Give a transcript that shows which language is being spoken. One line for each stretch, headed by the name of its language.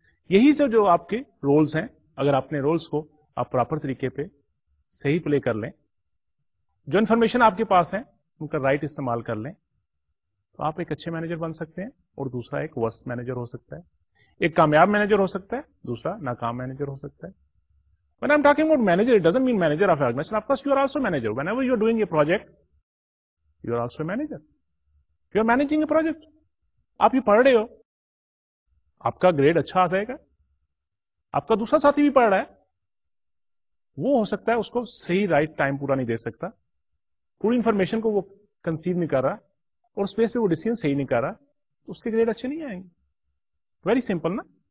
Urdu: یہی سب جو آپ کے رولز ہیں, اگر اپنے رولز کو آپ پراپر طریقے پہ صحیح پلے کر لیں, جو انفارمیشن آپ کے پاس ہیں ان کا رائٹ استعمال کر لیں, تو آپ ایک اچھے مینیجر بن سکتے ہیں اور دوسرا ایک ورس مینیجر ہو سکتا ہے. ایک کامیاب مینیجر ہو سکتا ہے, دوسرا ناکام مینیجر ہو سکتا ہے.
English: When I'm talking about manager, it doesn't mean manager of organization. Of course, you are also manager. Whenever you are doing a project, you are also a manager. You are managing a project.
Urdu: آپ یہ پڑھ رہے ہو, آپ کا grade اچھا آ جائے گا, آپ کا دوسرا ساتھی بھی پڑھ رہا ہے, وہ ہو سکتا ہے اس کو صحیح رائٹ ٹائم پورا نہیں دے سکتا, پوری انفارمیشن کو وہ کنسیو نہیں کر رہا, اور اسپیس پہ وہ ڈیسیژن صحیح نہیں کر رہا, اس کے گریڈ اچھے نہیں آئیں گے.
English: very simple
Urdu: نا.